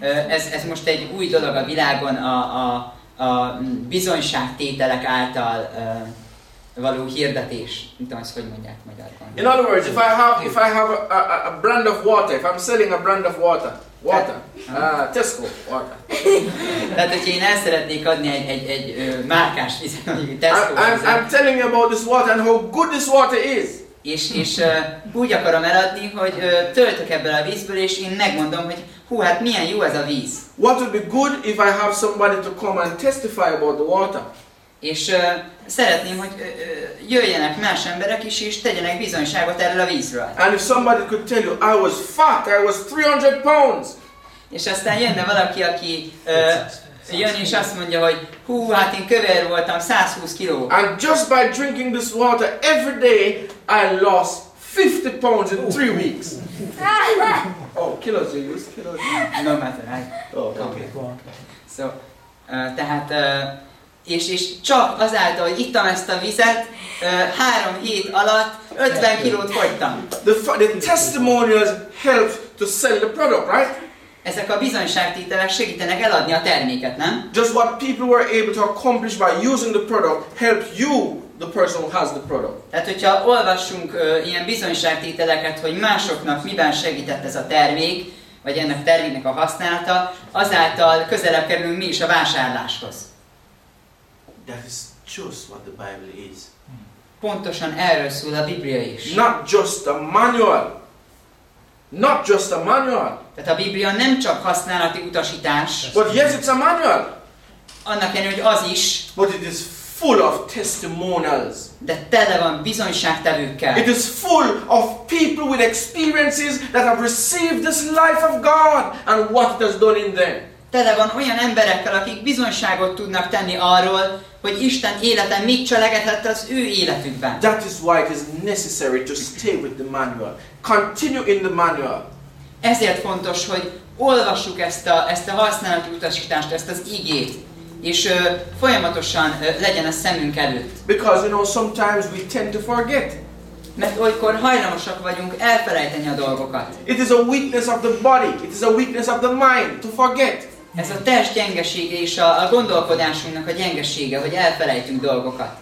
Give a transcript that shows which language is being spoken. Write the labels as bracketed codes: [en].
[hu] Ez most egy új dolog a világon a bizonyságtételek által való hirdetés, mit tudom, hogy mondják magyarban. [en] In other words, if I have a brand of water, if I'm selling a brand of water, Tesco water. [hu] Tehát, hogy én el szeretnék adni egy márkás vizet, mondjuk Tesco. [en] I'm telling you about this water and how good this water is. [hu] És úgy akarom eladni, hogy töltök ebből a vízből, és én megmondom, hogy hú, hát milyen jó ez a víz. [en] What would be good if I have somebody to come and testify about the water? [hu] És szeretném, hogy jöjjenek más emberek is, és tegyenek bizonyságot erről a vízről. [en] And if somebody could tell you, I was fat, I was 300 pounds. [hu] És aztán jönne valaki, aki jön és azt mondja, hogy hú, hát én kövér voltam, 120 kiló. [en] And just by drinking this water every day, I lost 50 pounds in 3 weeks. Oh, kilos you use, kilos. No matter, right? Oh, okay. [hu] So, tehát, és csak azáltal, hogy ittam ezt a vizet, 3 hét alatt 50 kilót fogytam. [en] The testimonials helped to sell the product, right? [hu] Ezek a bizonyságtételek segítenek eladni a terméket, nem? [en] Just what people were able to accomplish by using the product helped you, the person who has the product. [hu] Tehát, hogyha olvassunk ilyen bizonyságtételeket, hogy másoknak miben segített ez a termék, vagy ennek a terméknek a használata, azáltal közelebb kerülünk mi is a vásárláshoz. [en] That is just what the Bible is. [hu] Pontosan erről szól a Biblia is. [en] Not just a manual. Not just a manual. [hu] Tehát a Biblia nem csak használati utasítás. [en] But yes, it's a manual. [hu] Annak ellenére, hogy az is. [en] But it is full of testimonials. [hu] De tele van bizonyságtevőkkel. [en] It is full of people with experiences that have received this life of God and what it has done in them. [hu] Tele van olyan emberekkel, akik bizonyságot tudnak tenni arról, hogy Isten élete mit cselekedett az ő életükben. [en] That is why it is necessary to stay with the manual. Continue in the manual. [hu] Ezért fontos, hogy olvassuk ezt a használati utasítást, ezt az igét, és folyamatosan legyen a szemünk előtt. [en] Because you know, sometimes we tend to forget. [hu] Mert olykor hajlamosak vagyunk elfelejteni a dolgokat. [en] It is a weakness of the body, it is a weakness of the mind to forget. [hu] Ez a test gyengesége és a gondolkodásunknak a gyengesége, hogy elfelejtünk dolgokat.